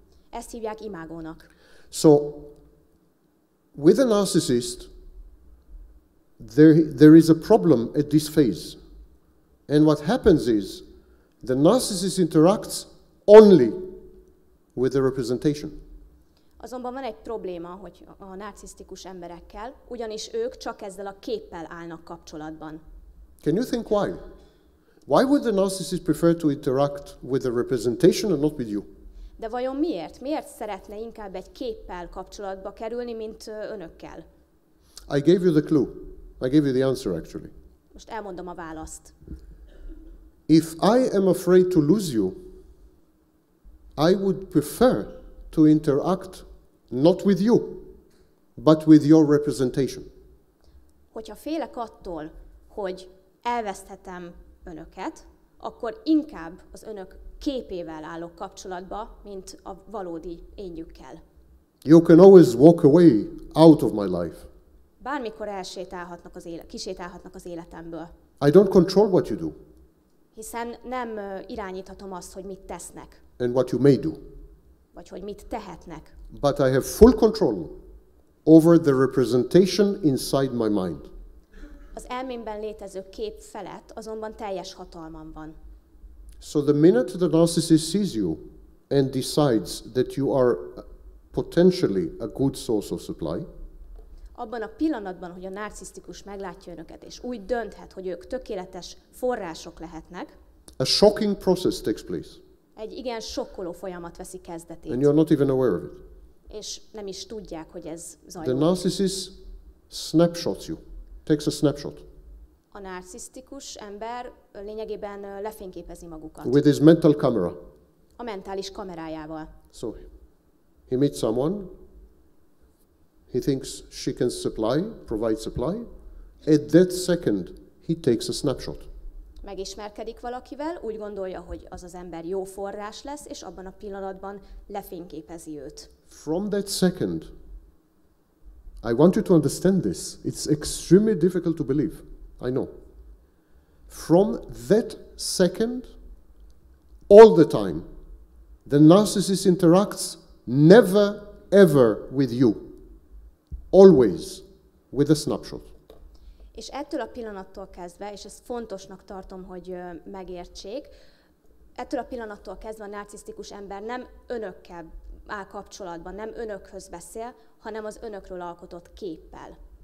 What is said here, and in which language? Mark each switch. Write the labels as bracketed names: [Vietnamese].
[Hungarian] Ezt hívják imágónak. [English] So, with a narcissist, there is a problem at this phase. And what happens is, the narcissist interacts only with the representation. [Hungarian] Azonban van egy probléma, hogy a narcisztikus emberekkel, ugyanis ők csak ezzel a képpel állnak kapcsolatban. [English] Can you think why? Why would the narcissist prefer to interact with the representation and not with you? [Hungarian] De vajon miért? Miért szeretne inkább egy képpel kapcsolatba kerülni, mint önökkel? [English] I gave you the clue. I gave you the answer, actually. [Hungarian] Most elmondom a választ. [English] If I am afraid to lose you, I would prefer to interact not with you, but with your representation. [Hungarian] Hogyha félek attól, hogy elveszthetem önöket, akkor inkább az önök képével állok kapcsolatba, mint a valódi énjükkel. [English] You can always walk away out of my life. [Hungarian] Bármikor elsétálhatnak az kisétálhatnak az életemből. [English] I don't control what you do. [Hungarian] Hiszen nem irányíthatom azt, hogy mit tesznek. [English] And what you may do. [Hungarian] Vagy hogy mit tehetnek. [English] But I have full control over the representation inside my mind. [Hungarian] Az elmémben létező kép felett azonban teljes hatalmam van. [English] So the minute the narcissist sees you and decides that you are potentially a good source of supply, [Hungarian] abban a pillanatban, hogy a narcisztikus meglátja önöket, és úgy dönthet, hogy ők tökéletes források lehetnek, [English] a shocking process takes place. [Hungarian] Egy igen sokkoló folyamat veszi kezdetét. [English] And you're not even aware of it. [Hungarian] És nem is tudják, hogy ez zajlik. [English] The narcissist snapshots you. Takes a snapshot. [Hungarian] A narcisztikus ember lényegében lefényképezi magukat. [English] With his mental camera. [Hungarian] A mentális kamerájával. [English] So, he meets someone. He thinks she can supply, provide supply. At that second, he takes a snapshot. [Hungarian] Megismerkedik valakivel, úgy gondolja, hogy az az ember jó forrás lesz, és abban a pillanatban lefényképezi őt. [English] From that second, I want you to understand this. It's extremely difficult to believe. I know. From that second, all the time, the narcissist interacts never, ever with you. Always with a snapshot. [Hungarian] És ettől a pillanattól kezdve, és ezt fontosnak tartom, hogy megértsék, ettől a pillanattól kezdve a narcisztikus ember nem önökkel áll kapcsolatban, nem önökhöz beszél, hanem az önökről alkotott képpel.